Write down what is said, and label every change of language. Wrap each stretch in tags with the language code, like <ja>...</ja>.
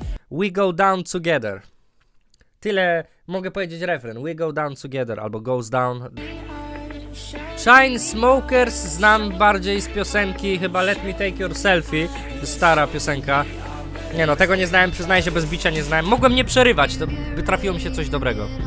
<en>We go down together.</en> <pl>Tyle mogę powiedzieć refren.</pl> <en>We go down together albo goes down.</en> <pl>Chainsmokers znam bardziej z piosenki chyba Let Me Take Your Selfie. Stara piosenka. Nie no, tego nie znałem, przyznaję się, bez bicia nie znałem. Mogłem nie przerywać, to by trafiło mi się coś dobrego.</pl>